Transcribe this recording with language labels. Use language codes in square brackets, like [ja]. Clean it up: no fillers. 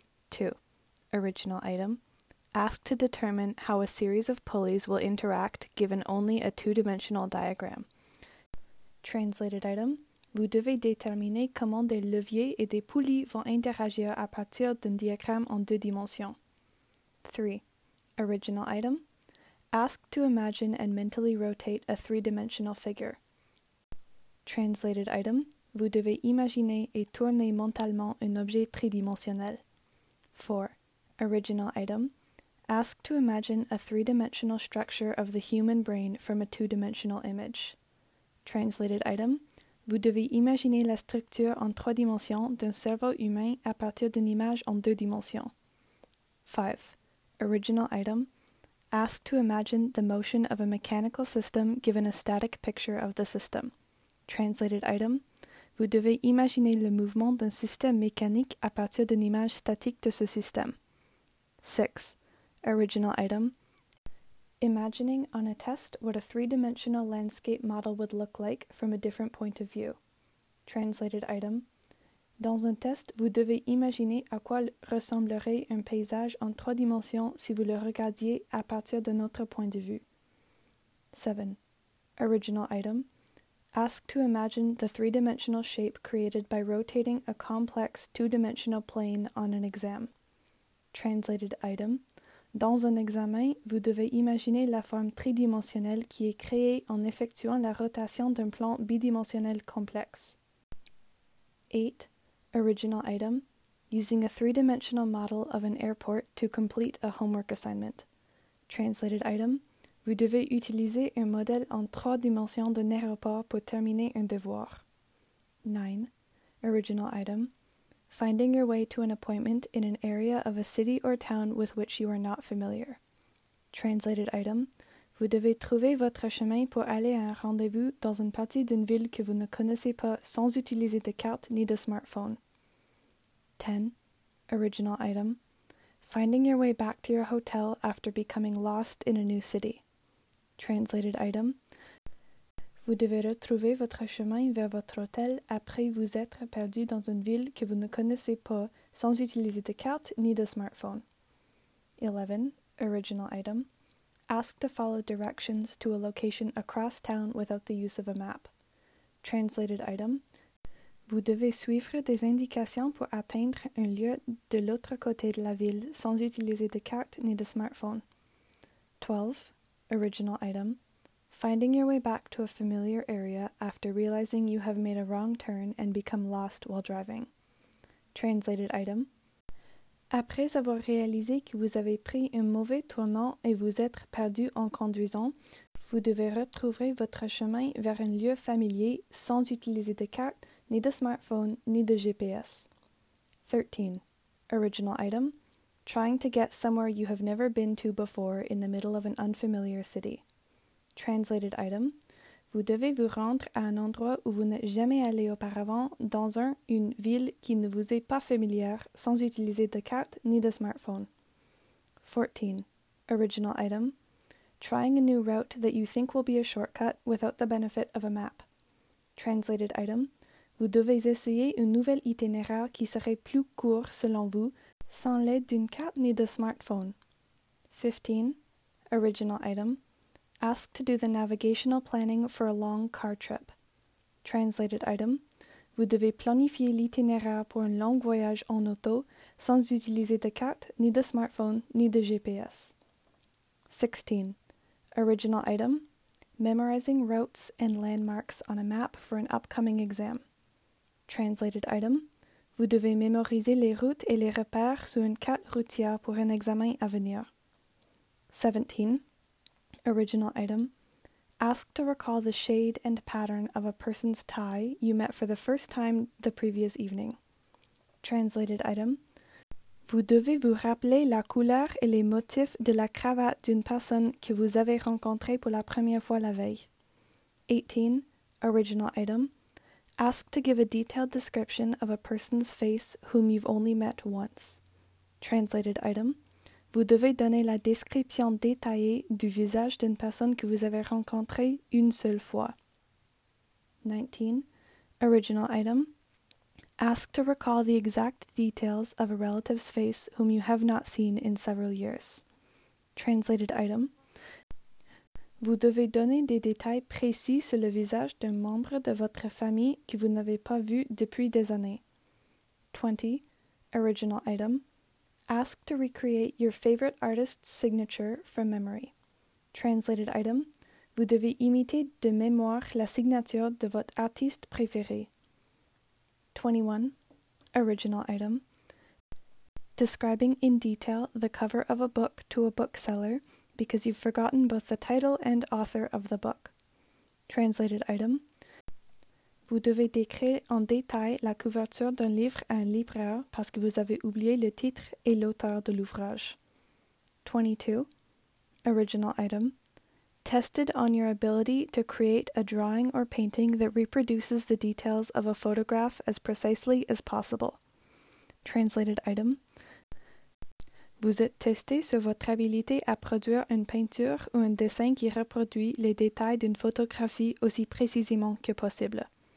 [en] 2. Original Item. Ask to determine how a series of pulleys will interact given only a two-dimensional diagram. Translated Item. [fr] Vous devez déterminer comment des leviers et des poulies vont interagir à partir d'un diagramme en deux dimensions. [en] 3. Original Item. Ask to imagine and mentally rotate a three-dimensional figure. Translated Item. [fr] Vous devez imaginer et tourner mentalement un objet tridimensionnel. [en] 4. Original Item. Ask to imagine a three-dimensional structure of the human brain from a two-dimensional image. Translated Item. [fr] Vous devez imaginer la structure en trois dimensions d'un cerveau humain à partir d'une image en deux dimensions. [en] 5. Original Item. Ask to imagine the motion of a mechanical system given a static picture of the system. Translated Item. [fr] Vous devez imaginer le mouvement d'un système mécanique à partir d'une image statique de ce système. [en] 6. Original Item. Imagining on a test what a three-dimensional landscape model would look like from a different point of view. Translated Item. [fr] Dans un test, vous devez imaginer à quoi ressemblerait un paysage en trois dimensions si vous le regardiez à partir d'un autre point de vue. [en] 7. Original Item. Ask to imagine the three-dimensional shape created by rotating a complex two-dimensional plane on an exam. Translated Item. [fr] Dans un examen, vous devez imaginer la forme tridimensionnelle qui est créée en effectuant la rotation d'un plan bidimensionnel complexe. [en] 8. Original Item. Using a three-dimensional model of an airport to complete a homework assignment. Translated Item. [fr] Vous devez utiliser un modèle en trois dimensions d'un aéroport pour terminer un devoir. [en] 9. Original Item. Finding your way to an appointment in an area of a city or town with which you are not familiar. Translated Item. [fr] Vous devez trouver votre chemin pour aller à un rendez-vous dans une partie d'une ville que vous ne connaissez pas sans utiliser de carte ni de smartphone. [en] 10. Original Item. Finding your way back to your hotel after becoming lost in a new city. Translated Item. [fr] Vous devez retrouver votre chemin vers votre hôtel après vous être perdu dans une ville que vous ne connaissez pas sans utiliser de carte ni de smartphone. [en] 11. Original Item. Ask to follow directions to a location across town without the use of a map. Translated Item. [fr] Vous devez suivre des indications pour atteindre un lieu de l'autre côté de la ville sans utiliser de carte ni de smartphone. [en] 12. Original Item. Finding your way back to a familiar area after realizing you have made a wrong turn and become lost while driving. Translated Item. [fr] Après avoir réalisé que vous avez pris un mauvais tournant et vous êtes perdu en conduisant, vous devez retrouver votre chemin vers un lieu familier sans utiliser de carte, ni de smartphone, ni de GPS. [en] 13. Original Item. Trying to get somewhere you have never been to before in the middle of an unfamiliar city. Translated Item. [fr] Vous devez vous rendre à un endroit où vous n'êtes jamais allé auparavant, dans une ville qui ne vous est pas familière, sans utiliser de carte ni de smartphone. [en] 14. Original Item. Trying a new route that you think will be a shortcut without the benefit of a map. Translated Item. [fr] Vous devez essayer un nouvel itinéraire qui serait plus court selon vous, sans l'aide d'une carte ni de smartphone. [en] 15. Original Item. Ask to do the navigational planning for a long car trip. Translated Item. [fr] Vous devez planifier l'itinéraire pour un long voyage en auto sans utiliser de carte, ni de smartphone, ni de GPS. [en] 16. Original Item. Memorizing routes and landmarks on a map for an upcoming exam. Translated Item. [fr] Vous devez mémoriser les routes et les repères sur une carte routière pour un examen à venir. [en] 17. Original Item. Ask to recall the shade and pattern of a person's tie you met for the first time the previous evening. Translated item. [fr] Vous devez vous rappeler la couleur et les motifs de la cravate d'une personne que vous avez rencontrée pour la première fois la veille. [en] 18. Original item. Ask to give a detailed description of a person's face whom you've only met once. Translated item. [fr] Vous devez donner la description détaillée du visage d'une personne que vous avez rencontrée une seule fois. [en] 19. Original item. Ask to recall the exact details of a relative's face whom you have not seen in several years. Translated item. [fr] Vous devez donner des détails précis sur le visage d'un membre de votre famille que vous n'avez pas vu depuis des années. [en] 20. Original item. Ask to recreate your favorite artist's signature from memory. Translated item. [fr] Vous devez imiter de mémoire la signature de votre artiste préféré. [en] 21. Original item. Describing in detail the cover of a book to a bookseller because you've forgotten both the title and author of the book. Translated item. [fr] Vous devez décrire en détail la couverture d'un livre à un libraire parce que vous avez oublié le titre et l'auteur de l'ouvrage. [en] 22. Original item. Tested on your ability to create a drawing or painting that reproduces the details of a photograph as precisely as possible. Translated item. [fr] Vous êtes testé sur votre habilité à produire une peinture ou un dessin qui reproduit les détails d'une photographie aussi précisément que possible.